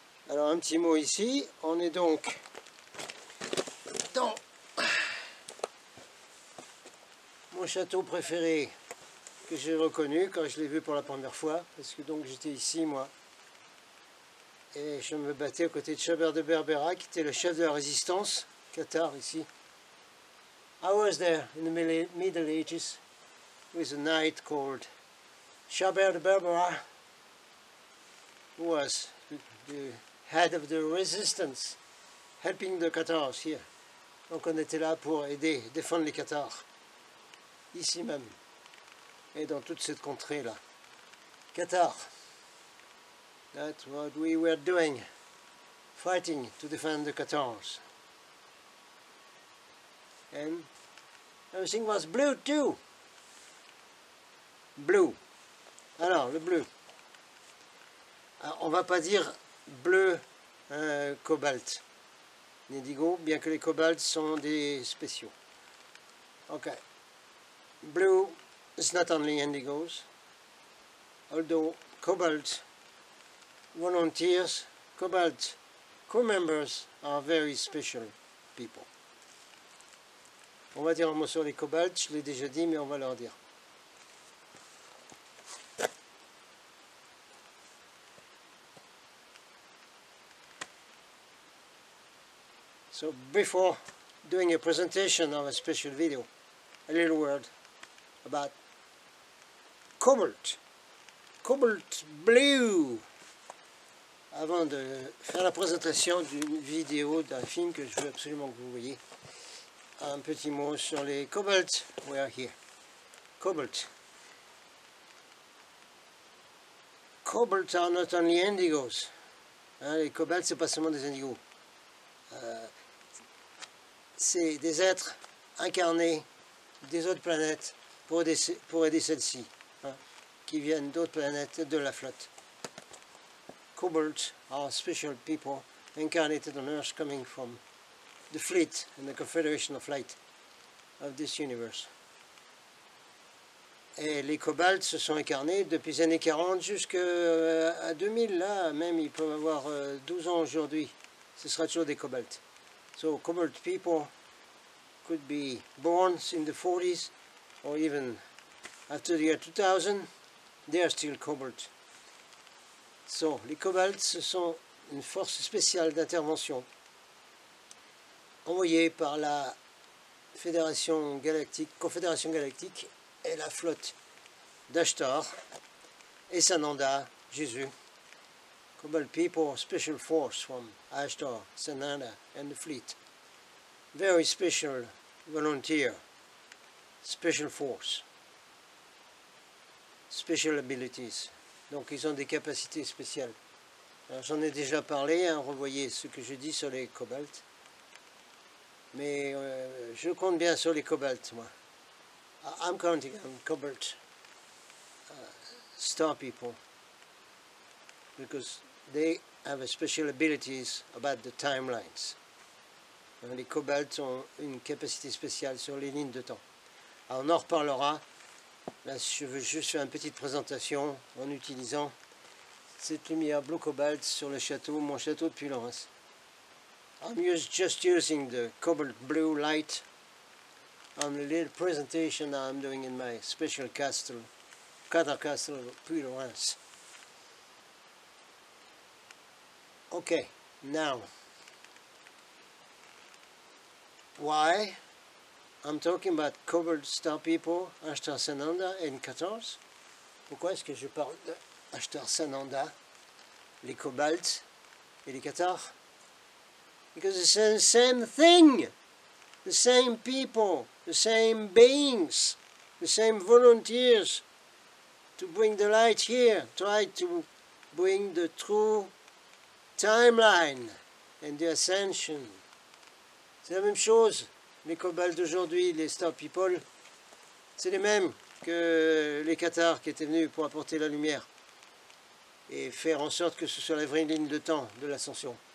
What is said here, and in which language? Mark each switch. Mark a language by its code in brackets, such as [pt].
[fr] Alors un petit mot ici, on est donc dans mon château préféré que j'ai reconnu quand je l'ai vu pour la première fois, parce que donc j'étais ici moi, et je me battais à côté de Chabert de Berbera qui était le chef de la résistance, Cathar ici. [en] I was there in the Middle Ages with a knight called Chabert de Berbera, who was the head of the resistance, helping the Cathars here. [fr] Donc on était là pour aider, défendre les Cathars, ici même, et dans toute cette contrée là. [en] Cathars, that's what we were doing, fighting to defend the Cathars. And everything was blue too. Blue. [fr] Alors, le bleu. Alors, on va pas dire bleu, cobalt, indigo, bien que les cobalts sont des spéciaux. Ok. [en] Blue is not only indigos, although cobalt volunteers, cobalt crew members are very special people. [fr] On va dire un mot sur les cobalts, je l'ai déjà dit, mais on va leur dire. [en] So before doing a presentation of a special video, a little word about cobalt, cobalt blue, [fr] avant de faire la présentation d'une vidéo d'un film que je veux absolument que vous voyez, un petit mot sur les cobalt, [en] we are here, cobalt. Cobalt are not only indigos, [fr] hein, les cobalt c'est pas seulement des indigos. C'est des êtres incarnés des autres planètes pour aider celles-ci, hein, qui viennent d'autres planètes de la flotte. [en] Cobalt are special people incarnated on Earth coming from the fleet and the Confederation of Light of this universe. [fr] Et les cobalts se sont incarnés depuis les années 40 jusqu'à 2000. Là, même, ils peuvent avoir 12 ans aujourd'hui. Ce sera toujours des cobalts. [en] So, cobalt people could be born in the 40s or even after the year 2000. They are still cobalt. [fr] So, les cobalts, ce sont une force spéciale d'intervention envoyée par la Fédération Galactique, Confédération Galactique et la flotte d'Ashtar et Sananda, Jésus. [en] Cobalt people, special force from Ashtar, Sananda and the fleet. Very special volunteer, special force, special abilities. [fr] Donc ils ont des capacités spéciales. Alors, j'en ai déjà parlé, hein, revoyez ce que je dis sur les cobalt. Mais je compte bien sur les cobalt, moi. [en] I'm counting on cobalt star people. Because they have a special abilities about the timelines. [fr] Les cobalt ont une capacité spéciale sur les lignes de temps. Alors, on en reparlera. Là, je veux juste faire une petite présentation en utilisant cette lumière bleu cobalt sur le château, mon château depuis Lawrence. [en] I'm just using the cobalt blue light on the little presentation I'm doing in my special castle, Cathar Castle, puis Lawrence. Okay, now, why I'm talking about cobalt star people, Ashtar Sananda and Cathars? [fr] Pourquoi est-ce que je parle de Ashtar Sananda, les cobalt et les Cathars? [en] Because it's the same thing, the same people, the same beings, the same volunteers to bring the light here, try to bring the true timeline and the ascension. [fr] C'est la même chose, les cobalt d'aujourd'hui, les star people, c'est les mêmes que les Cathars qui étaient venus pour apporter la lumière et faire en sorte que ce soit la vraie ligne de temps de l'ascension.